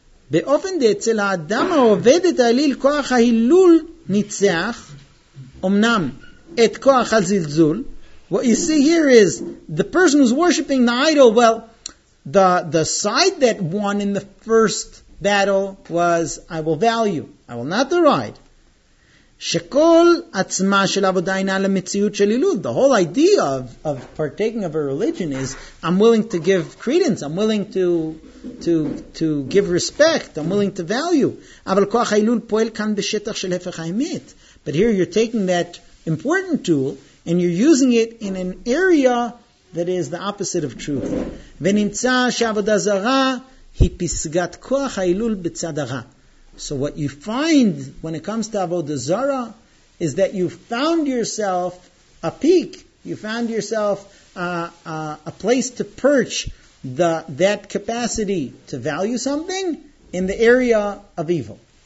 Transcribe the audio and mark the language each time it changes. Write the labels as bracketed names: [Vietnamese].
[Hebrew] באופן דה אצל האדם העובד את האליל כוח ההילול ניצח אמנם את כוח הזלזול. [English] What you see here is the person who's worshipping the idol, well, the side that won in the first battle was I will value, I will not deride. [Hebrew] שכל עצמה של עבודה אינה למציאות של הילול. [English] The whole idea of partaking of a religion is I'm willing to give credence, I'm willing to give respect, I'm willing to value. [Hebrew] אבל כוח הילול פועל כאן בשטח של הפך האמת. [English] But here you're taking that important tool and you're using it in an area that is the opposite of truth. [Hebrew] ונמצא שעבודה זרה היא פסגת כוח הילול בצד הרע. [English] So what you find when it comes to Avodah Zarah is that you found yourself a peak. You found yourself a place to perch that capacity to value something in the area of evil.